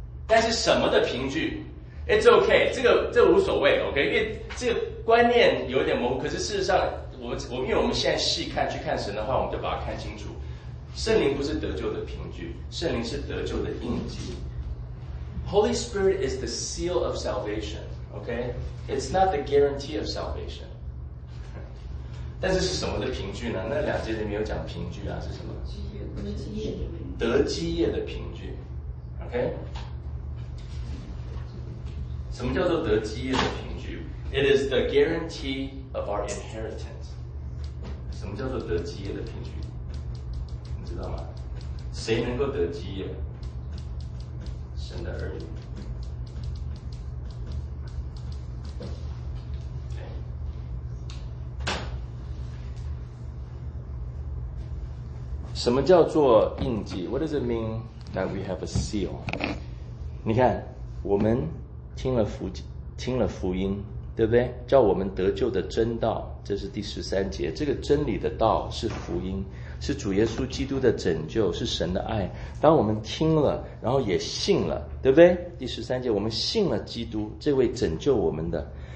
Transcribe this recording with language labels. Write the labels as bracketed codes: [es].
[zh] 但是什么的凭据 ？ [en] It's OK, [zh] 这个无所谓 ，OK, 因为这个观念有点模糊。可是事实上，我们因为我们现在细看去看神的话，我们就把它看清楚。圣灵不是得救的凭据，圣灵是得救的印记。 [en] Holy Spirit is the seal of salvation, okay? It's not the guarantee of salvation. [zh] 但是是什么的凭据呢？那两节里面有讲凭据啊，是什么？得基业的凭据。得基业的凭据 ，okay? 什么叫做得基业的凭据 ？ [en] It is the guarantee of our inheritance. [zh] 什么叫做得基业的凭据？你知道吗？谁能够得基业？神的儿女。什么叫做印记？ [en] What does it mean that we have a seal? [zh] 你看，我们听了福音，对不对？叫我们得救的真道，这是第十三节。这个真理的道是福音，是主耶稣基督的拯救，是神的爱。当我们听了，然后也信了，对不对？第十三节，我们信了基督，这位拯救我们的。